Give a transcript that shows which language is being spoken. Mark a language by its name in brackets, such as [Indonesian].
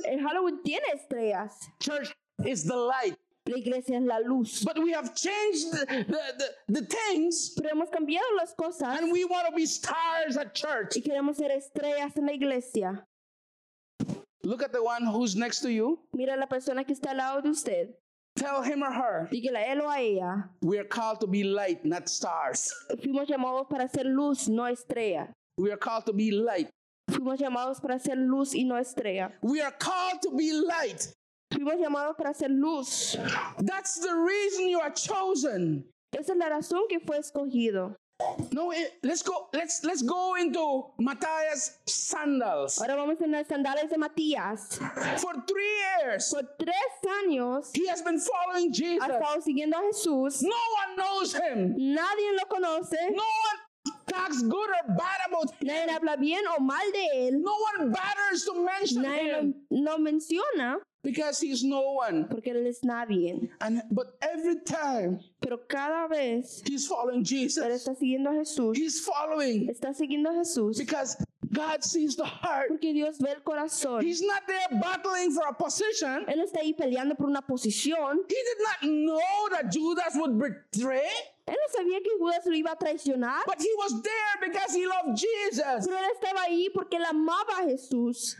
[Spanish] En Hollywood tiene estrellas. [English] Church is the light. [Spanish] La iglesia es la luz. [English] But we have changed the things. [Spanish] Pero hemos cambiado las cosas. [English] And we want to be stars at church. [Spanish] Y queremos ser estrellas en la iglesia. [English] Look at the one who's next to you. [Spanish] Mira la persona que está al lado de usted. [English] Tell him or her. [Spanish] Dígale a él o a ella. [English] We are called to be light, not stars. [Spanish] Fuimos llamados para ser luz, no estrella. [English] We are called to be light. [Spanish] Fuimos llamados para ser luz y no estrella. [English] We are called to be light. [Spanish] Fuimos llamados para ser luz. [English] That's the reason you are chosen. [Spanish] Esa es la razón que fue escogido. [English] No, let's go into Matthias sandals. [Spanish] Ahora vamos en las sandales de Matías. [English] For 3 years. [Spanish] Por tres años. [English] He has been following Jesus. [Spanish] Ha estado siguiendo a Jesús. [English] No one knows him. [Spanish] Nadie lo conoce. [English] No one. Talks good or bad about him. [Spanish] Nadie habla bien o mal de él. [English] No one bothers to mention [Spanish] Nadie [English] him. [Spanish] No menciona. [English] Because he's no one. [Spanish] Porque él es nadie. [English] And, but every time. [Spanish] Pero cada vez. [English] He's following Jesus. [Spanish] Él está siguiendo a Jesús. [English] He's following. [Spanish] Está siguiendo a Jesús. [English] Because God sees the heart. [Spanish] Porque Dios ve el corazón. [English] He's not there battling for a position. [Spanish] Él no está ahí peleando por una posición. [English] He did not know that Judas would betray. [Spanish] Él no sabía que Judas lo iba a traicionar. [English] But he was there because he loved Jesus. [Spanish] Pero él estaba ahí porque él amaba a Jesús.